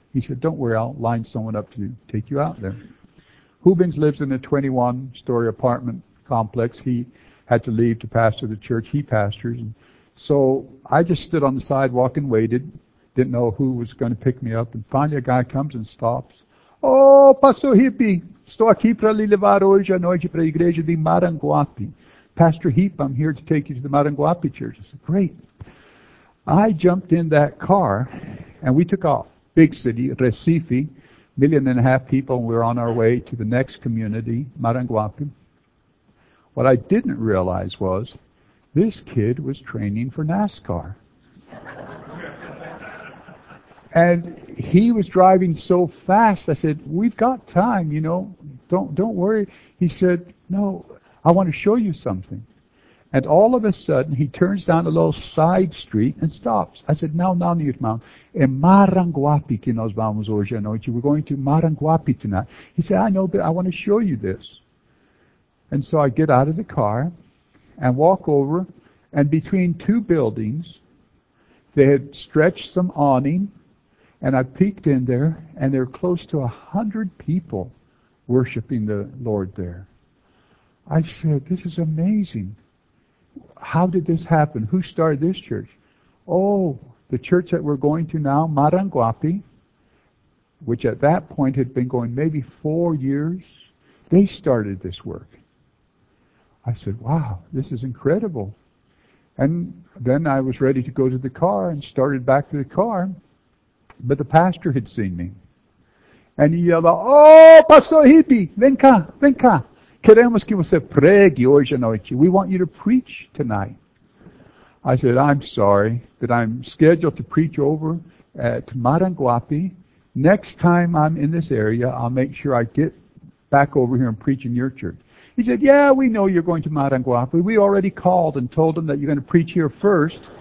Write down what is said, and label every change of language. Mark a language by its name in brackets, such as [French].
[English] He said, don't worry, I'll line someone up to take you out there. Hubings lives in a 21-story apartment complex. He had to leave to pastor the church he pastors. And so I just stood on the sidewalk and waited, didn't know who was going to pick me up. And finally a guy comes and stops. [Portuguese] Oh, Pastor Hippie, estou aqui para lhe levar hoje à noite para a igreja de Maranguape. [English] Pastor Heap, I'm here to take you to the Maranguape church. I said, great. I jumped in that car, and we took off. Big city, Recife, 1.5 million people, and we're on our way to the next community, Maranguape. What I didn't realize was, this kid was training for NASCAR. And he was driving so fast, I said, we've got time, you know, don't worry. He said, no, I want to show you something. And all of a sudden, he turns down a little side street and stops. I said, now, [Portuguese] irmão, é Maranguape que nós vamos hoje à noite. [English] We're going to Maranguape tonight. He said, I know, but I want to show you this. And so I get out of the car and walk over, and between two buildings, they had stretched some awning, and I peeked in there, and there were close to 100 people worshiping the Lord there. I said, this is amazing. How did this happen? Who started this church? Oh, the church that we're going to now, Maranguape, which at that point had been going maybe 4 years, they started this work. I said, wow, this is incredible. And then I was ready to go to the car and started back to the car. But the pastor had seen me. And he yelled out, oh, Pastor Hippie, [Portuguese] vem cá, vem cá. Queremos que você pregue hoje à noite. [English] We want you to preach tonight. I said, I'm sorry that I'm scheduled to preach over at Maranguape. Next time I'm in this area, I'll make sure I get back over here and preach in your church. He said, yeah, we know you're going to Maranguape. We already called and told them that you're going to preach here first.